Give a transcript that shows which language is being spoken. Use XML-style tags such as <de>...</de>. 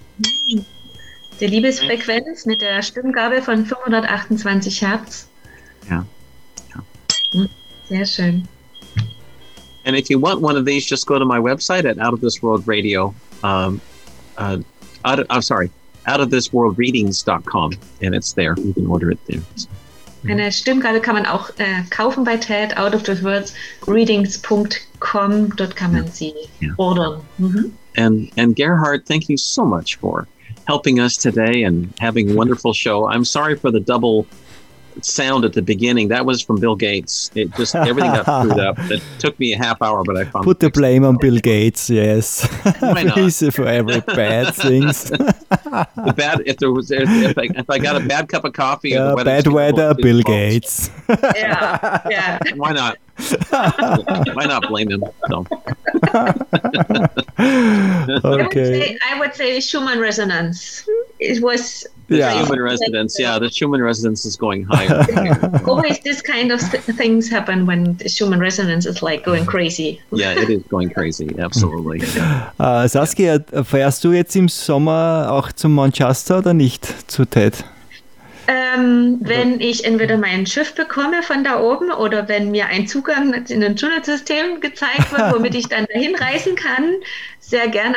<de>Die Liebesfrequenz mit der Stimmgabe von 528 Hertz.</de> <en>Yeah.</en> <de>Sehr schön.</de> <en>And if you want one of these, just go to my website at Out of This World Radio. Out of This World Readings.com, and it's there. You can order it there. So.</en> <de>Eine Stimmgabe kann man auch kaufen bei TED, outofthewordsreadings.com, dort kann man sie ordern.</de> <en>And Gerhard, thank you so much for helping us today and having a wonderful show. I'm sorry for the double sound at the beginning. That was from Bill Gates. It just, everything got screwed up. It took me a half hour, but I found put the blame on Bill Gates, yes. Please, for every bad things. If I got a bad cup of coffee, the weather, bad weather, cold, Bill Gates. Yeah. Why not? Why not blame him? No. Okay. I would say Schumann resonance. It was Yeah. Schumann residence. Yeah, the Schumann residence is going higher. Always this kind of things happen when the Schumann resonance is like going crazy. Yeah, it is going crazy. Absolutely. Saskia, yeah.</en> <de>Feierst du jetzt im Sommer auch zum Manchester oder nicht zu TED? Wenn ich entweder mein Schiff bekomme von da oben oder wenn mir ein Zugang in ein Tunnelsystem gezeigt wird, womit ich dann dahin reisen kann, sehr gern.</de>